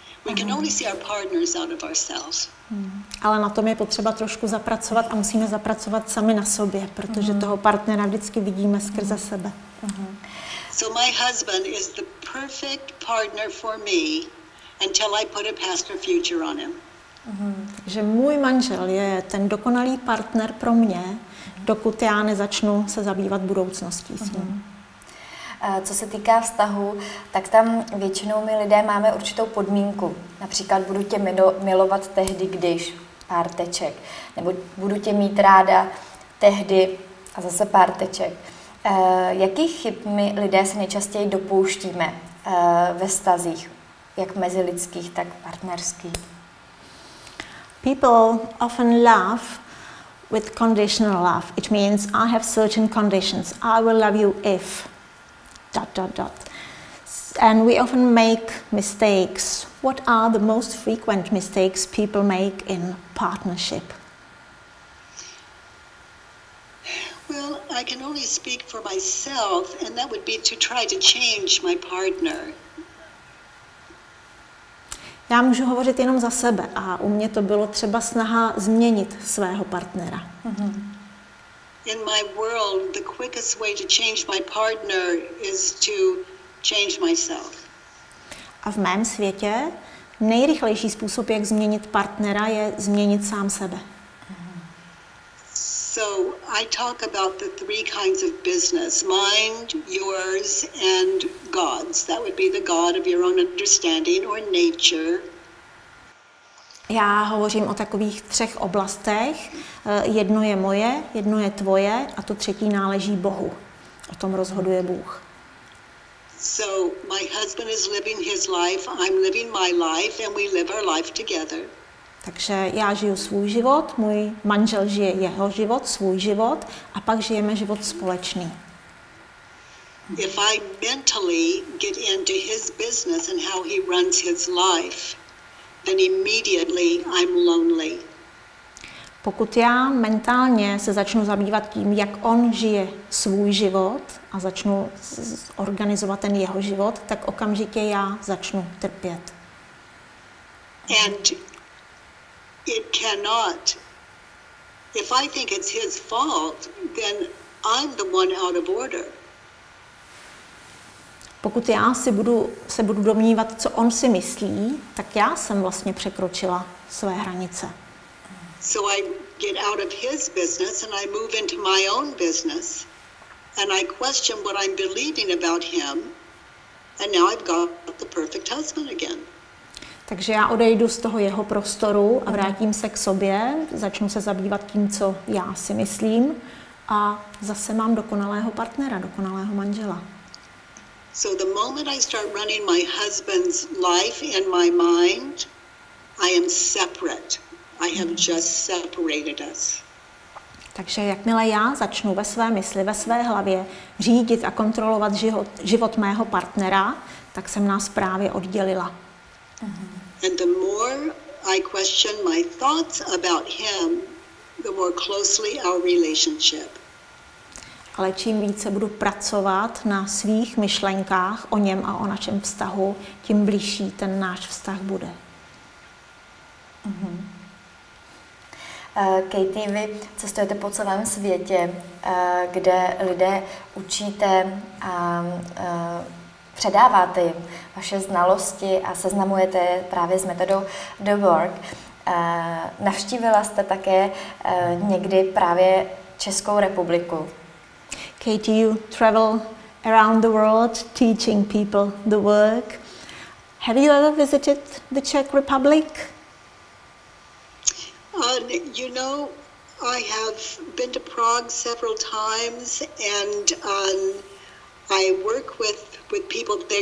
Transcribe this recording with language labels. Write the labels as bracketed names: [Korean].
[English] We can only see our partners out of ourselves. [Czech] Ale na tom je potřeba trošku zapracovat a musíme zapracovat sami na sobě, protože toho partnera vždycky vidíme skrze sebe. [English] So my husband is the perfect partner for me until I put a past or future on him. [Czech] Takže můj manžel je ten dokonalý partner pro mě, dokud já nezačnu se zabývat budoucností s ním. Co se týká vztahu, tak tam většinou my lidé máme určitou podmínku. Například budu tě milovat tehdy, když pár teček. Nebo budu tě mít ráda tehdy a zase pár teček. Jakých chyb my lidé se nejčastěji dopouštíme ve vztazích, jak mezilidských, tak partnerských? [English] People often love with conditional love. It means I have certain conditions. I will love you if... dot, dot, dot. And we often make mistakes. What are the most frequent mistakes people make in partnership? Well, I can only speak for myself, and that would be to try to change my partner. [Czech] Já můžu hovořit jenom za sebe a u mě to bylo třeba snaha změnit svého partnera. [English] In my world, the quickest way to change my partner is to change myself. [Czech] A v mém světě nejrychlejší způsob, jak změnit partnera, je změnit sám sebe. [English] So I talk about the three kinds of business: mind, yours, and God's. That would be the God of your own understanding or nature. [Czech] Já hovořím o takových třech oblastech. Jedno je moje, jedno je tvoje, a to třetí náleží Bohu. O tom rozhoduje Bůh. [English] So my husband is living his life, I'm living my life, and we live our life together. [Czech] Takže já žiju svůj život, můj manžel žije jeho život, svůj život a pak žijeme život společný. [English] If I mentally get into his business and how he runs his life, then immediately I'm lonely. [Czech] Pokud já mentálně se začnu zabývat tím, jak on žije svůj život a začnu organizovat ten jeho život, tak okamžitě já začnu trpět. [English] And it cannot. If I think it's his fault, then I'm the one out of order. [Czech] Pokud já se budu domnívat, co on si myslí, tak já jsem vlastně překročila své hranice. [English] So I get out of his business and I move into my own business and I question what I'm believing about him, and now I've got the perfect husband again. [Czech] Takže já odejdu z toho jeho prostoru a vrátím se k sobě, začnu se zabývat tím, co já si myslím, a zase mám dokonalého partnera, dokonalého manžela. [English] So the moment I start running my husband's life in my mind, I am separate. I have just separated us. [Czech] Takže jakmile já začnu ve své mysli, ve své hlavě řídit a kontrolovat život, život mého partnera, tak jsem nás právě oddělila. [English] And the more I question my thoughts about him, the more closely our relationship. [Czech] Ale čím více budu pracovat na svých myšlenkách o něm a o našem vztahu, tím blížší ten náš vztah bude. Katie, vy cestujete po celém světě, kde lidé učíte a předáváte jim vaše znalosti a seznamujete je právě s metodou The Work. Navštívila jste také někdy právě Českou republiku. [English] Katie, you travel around the world teaching people the work. Have you ever visited the Czech Republic? You know, I have been to Prague several times, and I work with people there.